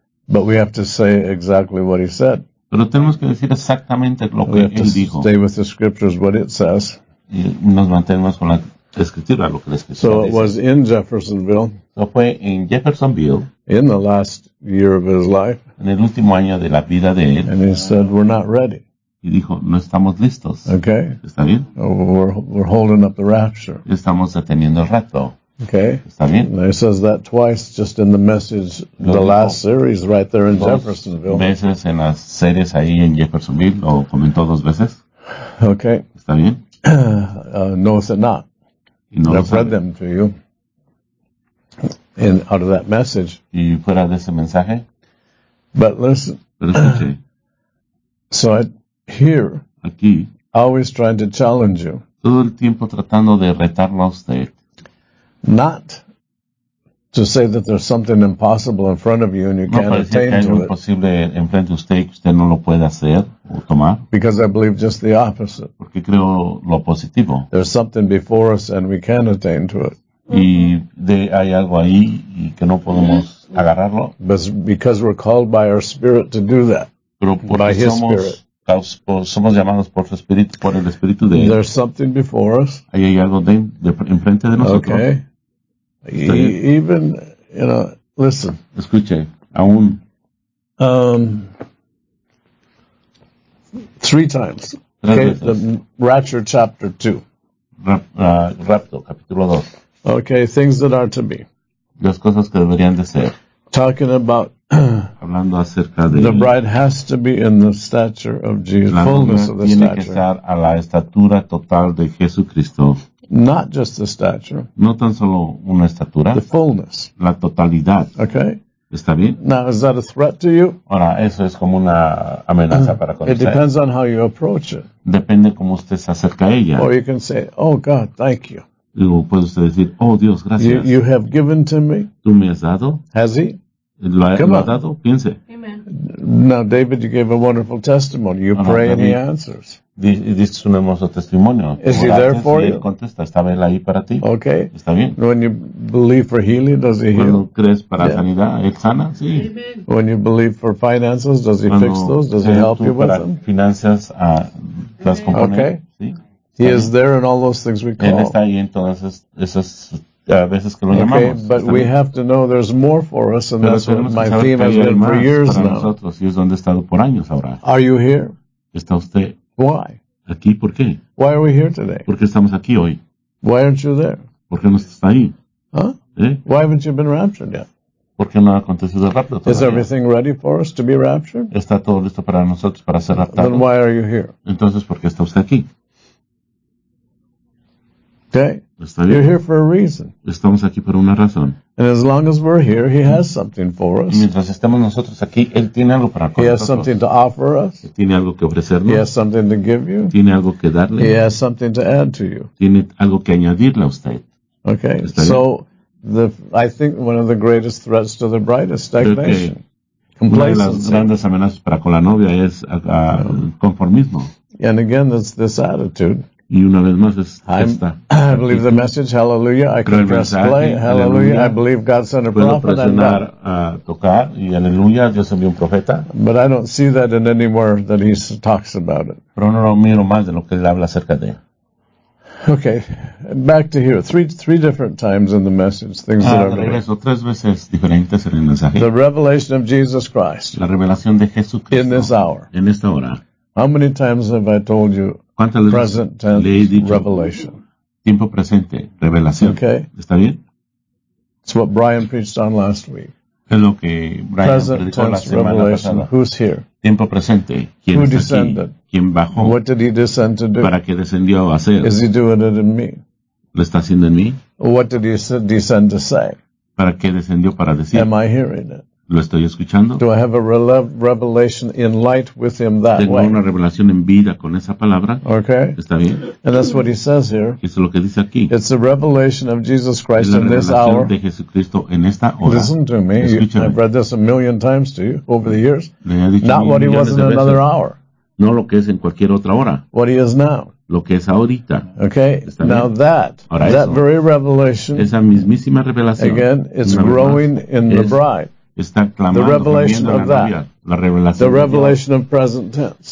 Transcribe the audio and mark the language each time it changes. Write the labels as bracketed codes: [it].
[en] But we have to say exactly what he said. [es] Pero tenemos que decir exactamente lo que él dijo. [en] Stay with the scriptures, what it says. [es] Y nos mantenemos con la escritura, lo que la escritura [en] so [es] dice. [en] It was in Jeffersonville. [es] So fue en Jeffersonville. [en] In the last year of his life. [es] En el último año de la vida de él. [en] And he said, we're not ready. [es] Y dijo, no estamos listos. [en] Okay. [es] ¿Está bien? [en] We're holding up the rapture. [es] Estamos deteniendo el rapto. [en] Okay. [es] ¿Está bien? [en] And he says that twice just in the message, [es] lo [en] the [es] dijo, [en] last series right there in Jeffersonville. [es] Veces en las series ahí en Jeffersonville, lo comentó dos veces. [en] Okay. [es] ¿Está bien? [en] Knoweth it not. [es] No [en] I've read them to you in, out of that message. [es] ¿Y fuera de ese mensaje? [en] But listen. [es] Pero escuché. [en] So I hear. [es] Aquí. [en] Always trying to challenge you. [es] Todo el tiempo tratando de retarlo a usted. [en] Not to say that there's something impossible in front of you and you can't attain to it. [es] No, parece que hay un posible enfrente de usted que usted no lo puede hacer o tomar. [en] Because I believe just the opposite. [es] Porque creo lo positivo. [en] There's something before us and we can attain to it. [es] Y de, hay algo ahí y que no podemos agarrarlo. [en] But because we're called by our spirit to do that. [es] Pero porque [en] by his [es] somos, [en] spirit. [es] Somos llamados por su espíritu, por el espíritu de él. [en] There's something before us. [es] Ahí hay algo de enfrente de nosotros. [en] Okay. Even, you know, listen. [es] Escuche, aún. [en] Three times. [es] Tres [en] okay, [es] veces. [en] The Rapture chapter 2. [es] Rapto, capítulo 2. [en] Okay, things that are to be. [es] Las cosas que deberían de ser. [en] Talking about [es] hablando acerca de [en] the bride has to be in the stature of Jesus, fullness of the [es] tiene [en] stature. [es] Que estar a la estatura total de Jesucristo. [en] Not just the stature. [es] No tan solo una estatura. [en] The fullness. [es] La totalidad. [en] Okay. [es] ¿Está bien? [en] Now, is that a threat to you? [es] Ahora, eso es como una amenaza para con [en] it usted. Depends on how you approach it. [es] Depende cómo usted se acerca a ella. [en] Or you can say, oh God, thank you. [es] O puede usted decir, oh Dios, gracias. [en] You have given to me. [es] ¿Tú me has dado? [en] Has he? [es] ¿Lo ha dado? Piense. [en] Amen. Now, David, you gave a wonderful testimony. You pray David, and he answers. [es] Dice un hermoso testimonio. [en] Is he there for you? [es] Él contesta, ¿estaba él ahí para ti? [en] Okay. [es] ¿Está bien? [en] When you believe for healing, does he heal? [es] Cuando crees para sanidad, ¿él sana? Sí. [en] Amen. When you believe for finances, does he fix those? Does he help you with them? [es] Finanzas, las componen. [en] Okay. [es] Sí. [en] He is there in all those things we call. [es] Él está ahí en todas esas veces que lo [en] okay, [es] llamamos. [en] But [es] está [en] we [es] bien. [en] Have to know there's more for us, and [es] pero [en] that's what my theme has been for years [es] para [en] now. [es] Nosotros, y es donde he estado por años ahora. [en] Are you here? [es] ¿Está usted? [en] Why? [es] ¿Aquí? ¿Por qué? [en] Why are we here today? [es] ¿Por qué estamos aquí hoy? [en] Why aren't you there? [es] ¿Por qué no estás ahí? Huh? ¿Eh? [en] Why haven't you been raptured yet? [es] ¿Por qué no ha acontecido el rapto todavía? [en] Is everything ready for us to be raptured? [es] ¿Está todo listo para nosotros para ser raptados? [en] Then why are you here? [es] Entonces, ¿por qué está usted aquí? [en] Okay, you're here for a reason. [es] Estamos aquí por una razón. [en] And as long as we're here, he has something for us. [es] Y mientras estemos nosotros aquí, él tiene algo para nosotros. [en] He has something to offer us. [es] Tiene algo que ofrecernos. [en] He has something to give you. [es] Tiene algo que darle. [en] He has something to add to you. [es] Tiene algo que añadirle a usted. [en] Okay, so I think one of the greatest threats to the bride is stagnation. Complacency. [es] Una de las grandes amenazas para con la novia es conformismo. [en] And again, it's this attitude. [es] Y una vez más es esta. [en] I believe the message, hallelujah, I can press play, hallelujah, I believe God sent a [es] puedo [en] prophet, [es] presionar, tocar, y aleluya, Dios envió un profeta. [en] But I don't see that in anywhere that he talks about it. [es] Pero no lo miro más de lo que él habla acerca de. [en] Okay, back to here, three different times in the message, things that are [es] regreso, tres veces diferentes en el mensaje. [en] The revelation of Jesus Christ. [es] La revelación de Jesucristo. [en] In this hour. [es] En esta hora. [en] How many times have I told you present tense revelation? [es] Tiempo presente, revelación. [en] Okay. [es] ¿Está bien? [en] It's what Brian preached on last week. [es] Es lo que Brian [en] present [es] predicó [en] tense [es] la semana [en] revelation. [es] Pasada. [en] Who's here? [es] Tiempo presente. ¿Quién [en] who [es] está [en] descended? [es] Aquí? ¿Quién bajó? [en] What did he descend to do? [es] ¿Para qué descendió a hacer? [en] Is he doing it in me? [es] ¿Lo está haciendo en mí? [en] What did he descend to say? [es] ¿Para qué descendió para decir? [en] Am I hearing it? [es] Lo estoy escuchando. [en] Do I have a revelation in light with him that [es] Tengo [en] way? [es] Una revelación en vida con esa palabra. [en] Okay. [es] Está bien. [en] And that's what he says here. [es] Eso es lo que dice aquí. [en] It's a revelation of Jesus Christ in this hour. [es] De Jesucristo en esta hora. [en] Listen to me. [es] Escúchame. [en] I've read this a million times to you over the years. [es] Le he dicho [en] Not what he was in another hour. [es] No lo que es en cualquier otra hora. [en] What he is now. [es] Lo que es ahorita. [en] Okay. Now that very revelation. [es] Esa mismísima revelación. [en] Again, it's growing in the bride. [es] Está clamando [en] the revelation of [es] la [en] that. [es] La revelación [en] the revelation of present tense.